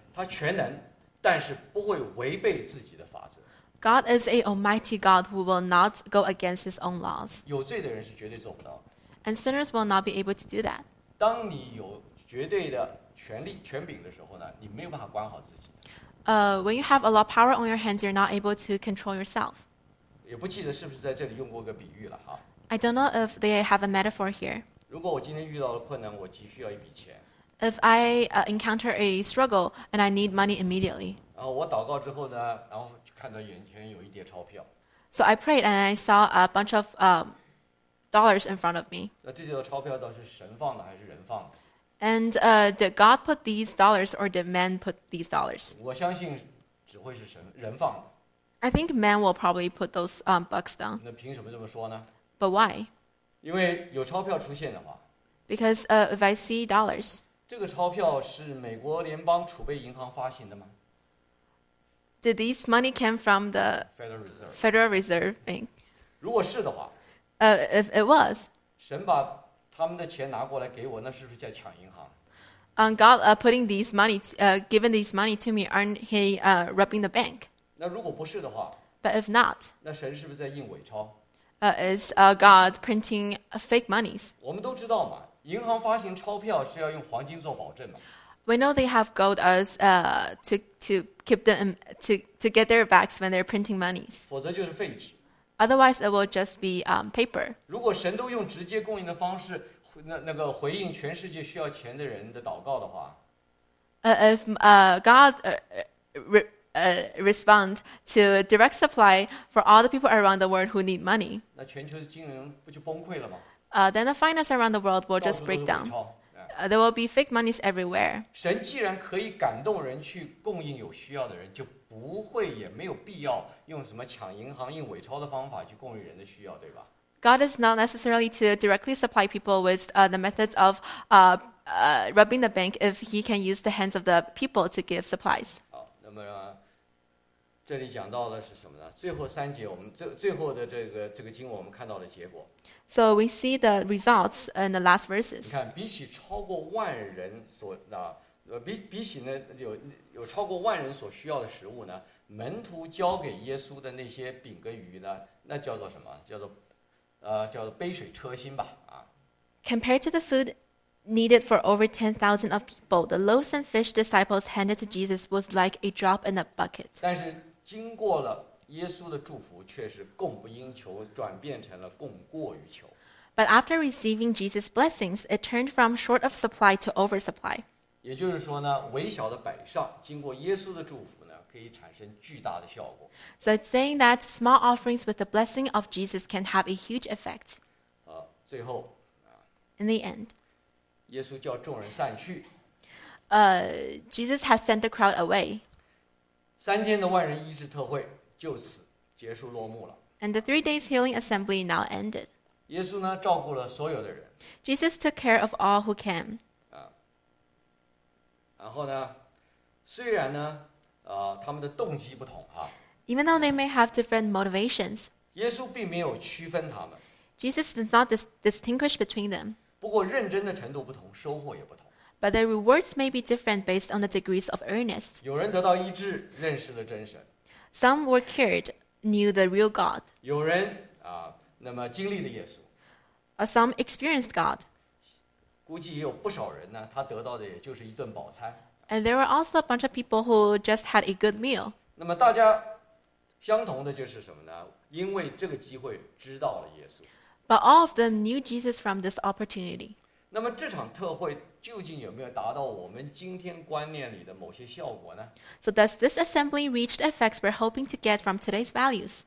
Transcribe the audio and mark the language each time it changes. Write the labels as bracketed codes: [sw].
[zh] 他全能，但是不会违背自己的法则。 [en] God is an almighty God who will not go against his own laws. [zh] 有罪的人是绝对做不到。 [en] And sinners will not be able to do that. [zh] 当你有绝对的权力权柄的时候呢，你没有办法管好自己。 [en] When you have a lot of power on your hands, you're not able to control yourself. [zh] 也不记得是不是在这里用过个比喻了哈。 [en] I don't know if they have a metaphor here. [zh] 如果我今天遇到了困难，我急需要一笔钱。 [en] If I encounter a struggle and I need money immediately. [zh] 然后我祷告之后呢，然后就看到眼前有一叠钞票。 [en] So I prayed and I saw a bunch of dollars in front of me. [zh] 那这叠钞票到底是神放的还是人放的？ [en] And did God put these dollars or did man put these dollars? [zh] 我相信只会是神人放的。 [en] I think man will probably put those bucks down. [zh] 那凭什么这么说呢？ [en] But why? [zh] 因为有钞票出现的话。 [en] Because if I see dollars. [zh] 这个钞票是美国联邦储备银行发行的吗？ [en] Did these money come from the Federal Reserve Bank? [zh] 如果是的话。 [en] If it was. [zh] 神把他们的钱拿过来给我，那是不是在抢银行？ [en] God putting these money, giving these money to me, aren't he robbing the bank? [zh] 那如果不是的话， [en] but if not, [zh] 那神是不是在印伪钞？ [en] Is God printing fake monies? [zh] 我们都知道嘛，银行发行钞票是要用黄金做保证嘛。 [en] We know they have gold as to keep them to get their backs when they're printing monies. [zh] 否则就是废纸。 [en] Otherwise, it will just be paper. [zh] 如果神都用直接供应的方式，那个回应全世界需要钱的人的祷告的话 [en] ，If God respond to direct supply for all the people around the world who need money, [zh] 那全球的金融不就崩溃了吗 [en] ？Then the finance around the world will just break down. There will be fake monies everywhere. [zh] 神既然可以感动人去供应有需要的人，就不会也没有必要用什么抢银行印伪钞的方法去供应人的需要，对吧 [en] ？God is not necessarily to directly supply people with the methods of rubbing the bank if he can use the hands of the people to give supplies. [zh] 好，那么这里讲到的是什么呢？最后三节，我们最后的这个经文，我们看到的结果。 [en] So we see the results in the last verses. [zh] 你看，比起超过万人所那。比起呢有超过万人所需要的食物呢，门徒交给耶稣的那些饼跟鱼呢，那叫做什么？叫做杯水车薪吧，啊。 [en] Compared to the food needed for over 10,000 of people, the loaves and fish disciples handed to Jesus was like a drop in a bucket. [zh] 但是经过了耶稣的祝福，却是供不应求，转变成了供过于求。 [en] But after receiving Jesus' blessings, it turned from short of supply to oversupply. [zh] 也就是说呢，微小的摆上，经过耶稣的祝福呢，可以产生巨大的效果。 [en] So it's saying that small offerings with the blessing of Jesus can have a huge effect. [zh] 最后 [en] ，In the end, [zh] 耶稣叫众人散去。 [en] Jesus has sent the crowd away. [zh] 三天的万人医治特会就此结束落幕了。 [en] And the 3 days healing assembly now ended. [zh] 耶稣呢，照顾了所有的人。 [en] Jesus took care of all who came. [zh] 然后呢，虽然呢，他们的动机不同哈。 [en] Even though they may have different motivations, [zh] 耶稣并没有区分他们。 [en] Jesus does not distinguish between them. [zh] 不过认真的程度不同，收获也不同。 [en] But the rewards may be different based on the degrees of earnest. [zh] 有人得到医治，认识了真神。 [en] Some were cured, knew the real God. [zh] 有人那么经历了耶稣。 [en] Some experienced God. [zh] 估计也有不少人呢，他得到的也就是一顿饱餐。 [en] And there were also a bunch of people who just had a good meal. [zh] 那么大家相同的就是什么呢？因为这个机会知道了耶稣。 [en] But all of them knew Jesus from this opportunity. [zh] 那么这场特会究竟有没有达到我们今天观念里的某些效果呢 [en] ？So does this assembly reach the effects we're hoping to get from today's values?